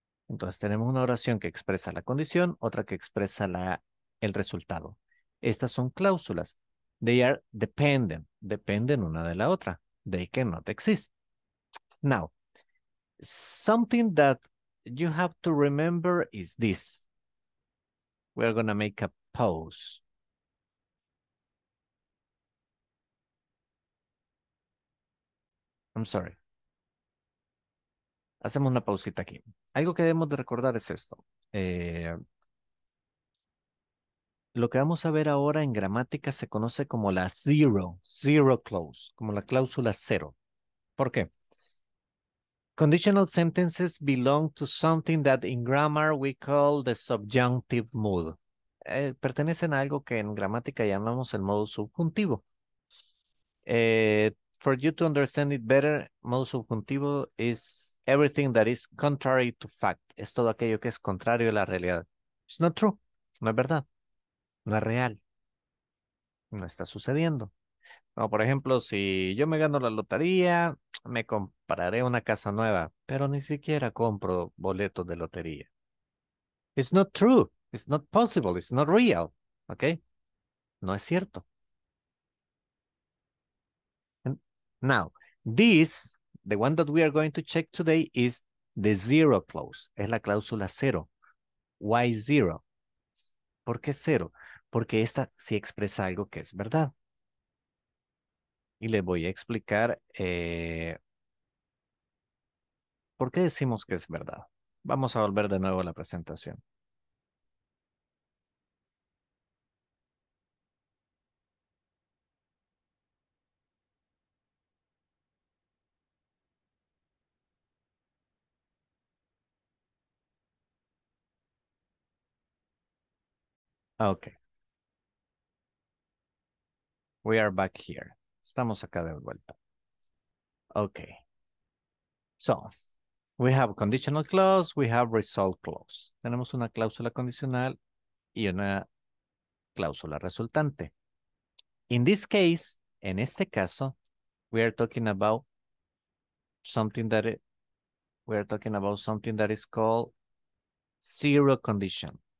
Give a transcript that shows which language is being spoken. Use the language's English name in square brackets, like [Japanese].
[Spanish] Entonces tenemos una oración que expresa la condición, otra que expresa el resultado. Estas son cláusulas. [English] They are dependent, [Spanish] dependen una de la otra. [English] They cannot exist. Now, something that you have to remember is this. We're gonna make a pause. I'm sorry. [Spanish] Hacemos una pausita aquí. Algo que debemos de recordar es esto. Lo que vamos a ver ahora en gramática se conoce como la [English] zero, zero clause, [Spanish] como la cláusula cero. ¿Por qué? [English] Conditional sentences belong to something that in grammar we call the subjunctive mood. [Spanish] Pertenecen a algo que en gramática llamamos el modo subjuntivo. [English] For you to understand it better, modo subjuntivo is everything that is contrary to fact. [Spanish] Es todo aquello que es contrario a la realidad. [English] It's not true. [Spanish] No es verdad. No es real. No está sucediendo. No, por ejemplo, si yo me gano la lotería, me compraré una casa nueva, pero ni siquiera compro boletos de lotería. [English] It's not true. It's not possible. It's not real. Okay? No es cierto. Now, this, the one that we are going to check today, is the zero clause. [Spanish] Es la cláusula cero. [English] Why zero? [Spanish] ¿Por qué cero? Porque esta sí expresa algo que es verdad. Y le voy a explicar por qué decimos que es verdad. Vamos a volver de nuevo a la presentación. [English] Okay. We are back here. [Spanish] Estamos acá de vuelta. [English] Okay. So, we have a conditional clause, we have result clause. [Spanish] Tenemos una cláusula condicional y una cláusula resultante. [English] In this case, [Spanish] en este caso, [English] we are talking about something that is called zero condition.